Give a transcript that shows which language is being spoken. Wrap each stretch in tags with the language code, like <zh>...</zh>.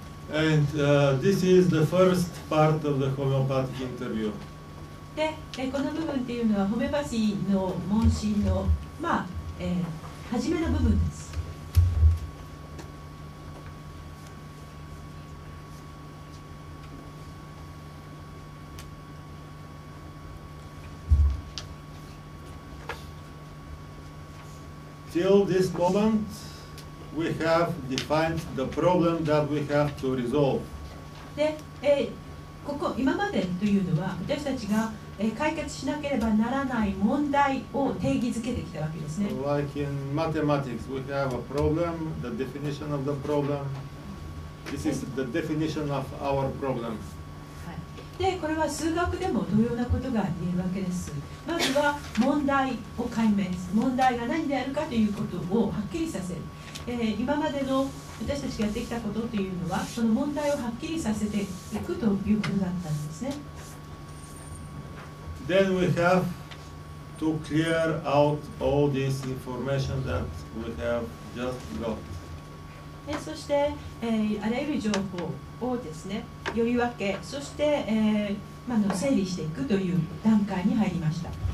<en>And this is the first part of the homeopathic interview.</en> <ja>で、この部分っていうのはホメパシーの問診の、まあ、初めの部分です。</ja> <en>Till this moment,we have defined the problem that we have to resolve.</en> <ja>で、ここ今までというのは、私たちが解決しなければならない問題を定義づけてきたわけですね。</ja> <en>Like in mathematics, we have a problem, the definition of the problem. This is the definition of our problem.</en> <ja>で、これは数学でも同様なことが言えるわけです。まずは問題を解明する。問題が何であるかということをはっきりさせる。今までの私たちがやってきたことというのは、その問題をはっきりさせていくということだったんですね。</ja> <en>Then we have to clear out all this information that we have just got.</en> <ja>そして、あらゆる情報をですね、よりわけ、そして、まあ、整理していくという段階に入りました。</ja>